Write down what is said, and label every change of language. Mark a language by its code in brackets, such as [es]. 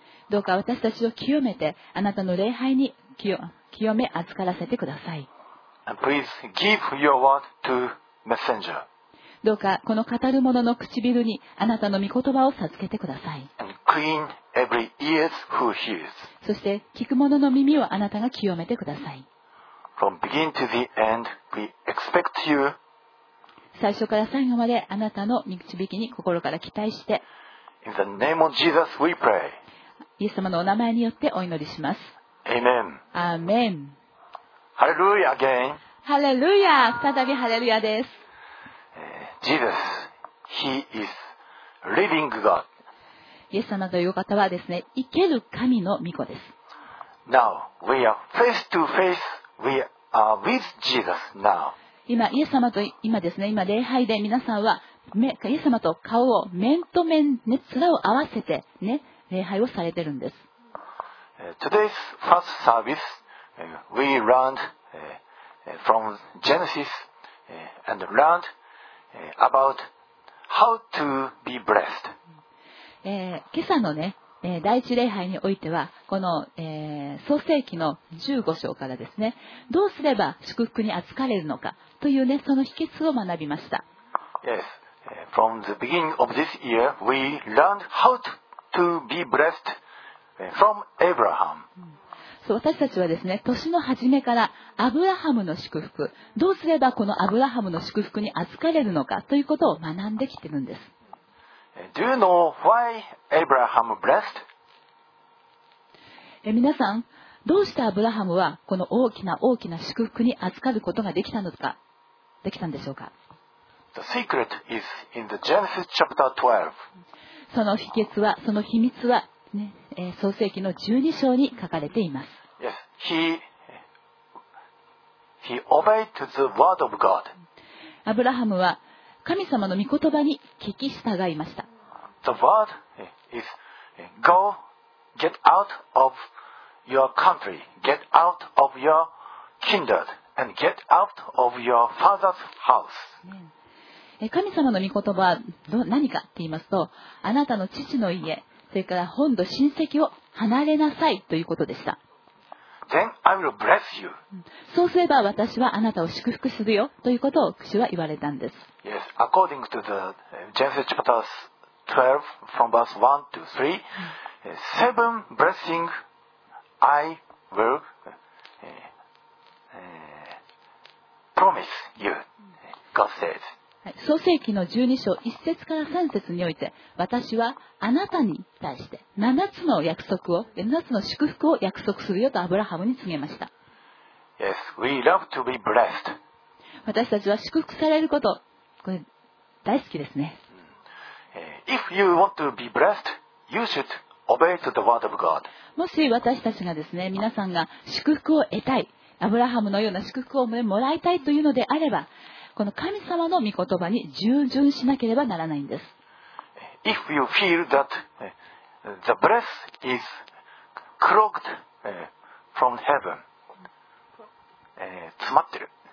[ja] どうか私たちを清めて、あなたの礼拝に清め預からせてください。 [en] And please give your word to messenger. [ja] どうかこの語る者の唇にあなたの御言葉を授けてください。 [en] And clean every ears who hears. [ja] そして聞く者の耳をあなたが清めてください。 [en] From beginning to the end, we expect you. [ja] 最初から最後まであなたの導きに心から期待して。 [en] In the name of Jesus, we pray. [ja] イエス様のお名前によってお祈りします。 [en] Amen. [ja] アーメン。 [en] ハレルヤ again. [ja] ハレルヤ、再びハレルヤです。 [en] Jesus, He is living God. [ja] イエス様という方はですね、生ける神の御子です。 [en] Now we are face to face. We are with Jesus now. [ja] 今イエス様と今ですね、今礼拝で皆さんはイエス様と顔を面と面ね、面を合わせてね。礼拝をされているんです。 [en] Today's first service, we learned from Genesis and learned about how to be blessed. [ja] 今朝のね、第一礼拝においては、この創世記の十五章からですね、どうすれば祝福に預かれるのかというね、その秘訣を学びました。 [en] Yes, from the beginning of this year, we learned how toTo be blessed from Abraham. [ja] そう、私たちはですね、年の初めからアブラハムの祝福、どうすればこのアブラハムの祝福に預かれるのかということを学んできているんです。 [en] Do you know why Abraham blessed? [ja] 皆さん、どうしてアブラハムはこの大きな大きな祝福に預かることができたのか、できたんでしょうか。 [en] The secret is in the Genesis chapter 12. [ja] その秘訣は、その秘密は、ね、創世記の12章に書かれています。 [en] Yes, he He obeyed to the word of God. [ja] アブラハムは神様の御言葉に聞き従いました。 [en] The word is go, get out of your country, get out of your kindred, and get out of your father's house. [ja] 神様の御言葉は何かって言いますと、あなたの父の家、それから本土親戚を離れなさいということでした。 [en] Then I will bless you. [ja] そうすれば私はあなたを祝福するよということを主は言われたんです。 [en] Yes, according to the Genesis chapter 12 from verse 1 to 3, seven blessings I will promise you, God said. [ja] 創世記の12章1節から3節において、私はあなたに対して7つの約束を、7つの祝福を約束するよとアブラハムに告げました。 [en] Yes, we love to be blessed. [ja] 私たちは祝福されること、これ大好きですね。 [en] If you want to be blessed, you should obey to the word of God. [ja] もし私たちがですね、皆さんが祝福を得たい、アブラハムのような祝福をもらいたいというのであれば、この神様の御言葉に従順しなければならないんです。 [en] If you feel that the breath is cloaked from heaven [ja] 詰まってる、